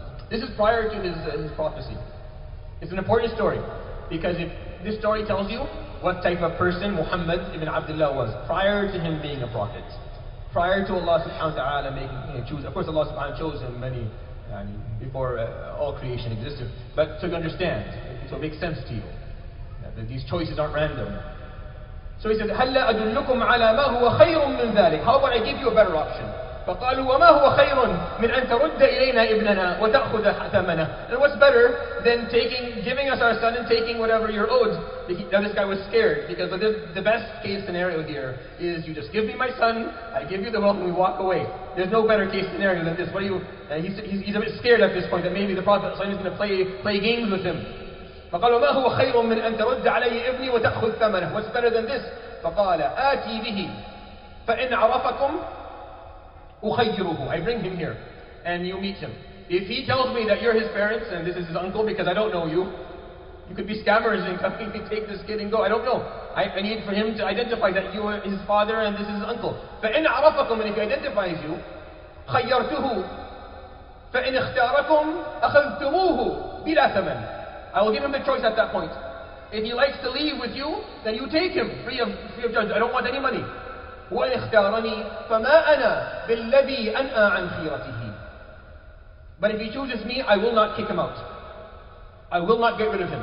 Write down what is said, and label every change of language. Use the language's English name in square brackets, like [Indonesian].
[English] This is prior to his prophecy. It's an important story, because if this story tells you what type of person Muhammad ibn Abdullah was prior to him being a prophet, prior to Allah subhanahu wa ta'ala choose. Of course, Allah subhanahu wa ta'ala chose him before all creation existed. But to understand, to make sense to you, that these choices aren't random. So he said, [Arabic] هَلَّا أَدُلُّكُمْ عَلَىٰ مَا هُوَ خَيْرٌ مِّنْ ذَلِكَ. [English] How about I give you a better option? [Arabic] فَقَالُوا وَمَا هُوَ خَيْرٌ مِّنْ أَن تَرُدَّ إِلَيْنَا إِبْنَنَا وَتَأْخُذَ ثَمَنَا. [English] And what's better than giving us our son and taking whatever you're owed? Now this guy was scared, because the best case scenario here is you just give me my son, I give you the wealth, and we walk away. There's no better case scenario than this. He's a bit scared at this point that maybe the Prophet is going to play games with him. [Arabic] فقال ما هو خير من أن ترد علي ابني وتأخذ ثمنه. [English] What's better than this? [Arabic] فقال آتي به فإن عرفكم أخيره. [English] I bring him here and you meet him. If he tells me that you're his parents and this is his uncle, because I don't know you, you could be scammers and come and take this kid and go. I don't know. I need for him to identify that you are his father and this is his uncle. [Arabic] فإن عرفكم, [English] and if he identifies you, [Arabic] خيرته فإن اختاركم أخذتموه بلا ثمن. [English] I will give him the choice at that point. If he likes to leave with you, then you take him free of charge. I don't want any money. [Arabic] وَإِنْ اخْتَارَنِي فَمَا أَنَا بِالَّذِي أَنْأَى عَنْ خِيرَتِهِ. [English] But if he chooses me, I will not kick him out. I will not get rid of him.